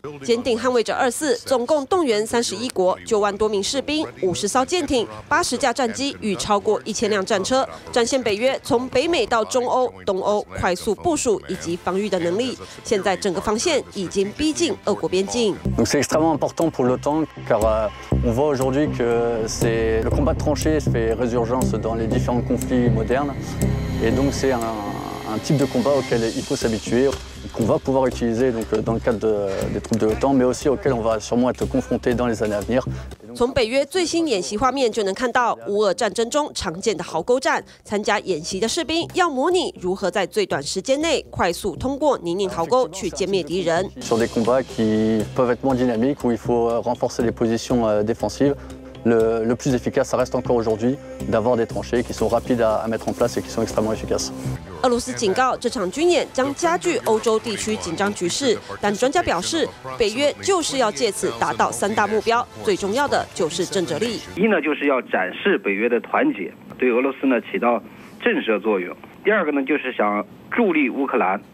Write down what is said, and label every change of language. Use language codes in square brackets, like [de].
[zh] 坚定捍卫者二四总共动员31国9万多名士兵50艘舰艇80架战机与超过1000辆战车，展现北约从北美到中欧、东欧快速部署以及防御的能力。现在整个防线已经逼近俄国边境。 [fr] Donc c'est extrêmement important pour l'OTAN car on voit aujourd'hui que c'est le combat tranché fait résurgence dans les différents conflits modernes et donc c'est un type de combat auquel il faut s'habituer. qu'on va pouvoir utiliser donc dans le cadre des troupes de l'OTAN, mais aussi auxquelles on va sûrement être confronté dans les années à venir. [zh] 从北约最新演习画面就能看到乌俄战争中常见的壕沟战，参加演习的士兵要模拟如何在最短时间内快速通过泥泞壕沟去歼灭敌人。 [fr] Sur des combats qui peuvent être moins dynamiques où il faut renforcer les positions défensives, le plus efficace, ça reste encore aujourd'hui d'avoir des tranchées qui sont rapides à mettre en place et qui sont extrêmement efficaces. [zh] 俄罗斯警告，这场军演将加剧欧洲地区紧张局势，但专家表示，北约就是要借此达到三大目标，最重要的就是政治力。一呢，就是要展示北约的团结，对俄罗斯呢起到震慑作用；第二个呢，就是想助力乌克兰，